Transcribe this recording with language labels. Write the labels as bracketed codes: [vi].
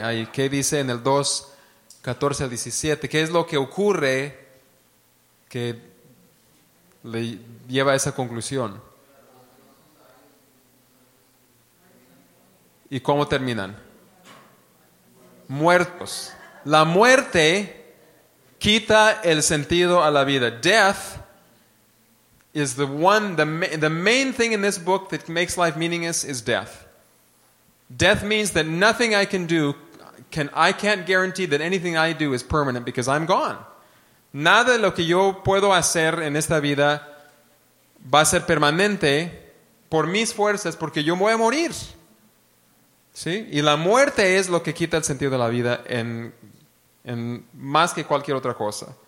[es] Ahí, ¿qué dice en el 2:14-17? ¿Qué es lo que ocurre que le lleva a esa conclusión? ¿Y cómo terminan? Muertos. La muerte quita el sentido a la vida. [en] Death is the one, the main thing in this book that makes life meaningless is death. Death means that nothing I can do, I can't guarantee that anything I do is permanent because I'm gone. [es] Nada lo que yo puedo hacer en esta vida va a ser permanente por mis fuerzas porque yo voy a morir. ¿Sí? Y la muerte es lo que quita el sentido de la vida en más que cualquier otra cosa.